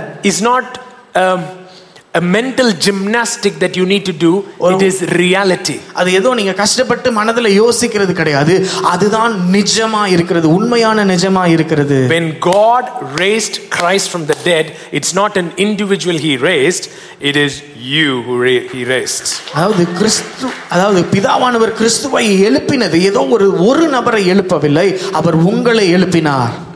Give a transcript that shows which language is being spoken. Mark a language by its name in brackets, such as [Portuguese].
[English] It's not a mental gymnastic that you need to do. It is reality. [Tamil] அது ஏதோ நீங்க கஷ்டப்பட்டு மனதுல யோசிக்கிறது கிடையாது. அதுதான் நிஜமா இருக்கிறது, உண்மையான நிஜமா இருக்கிறது. [English] When God raised Christ from the dead, it's not an individual he raised, it is you who he raised. [Tamil] அதாவது கிறிஸ்து அதாவது பிதாவானவர் கிறிஸ்துவை எழுப்பினது ஏதோ ஒரு நபரை எழுப்பவில்லை, அவர் உங்களை எழுப்பினார்.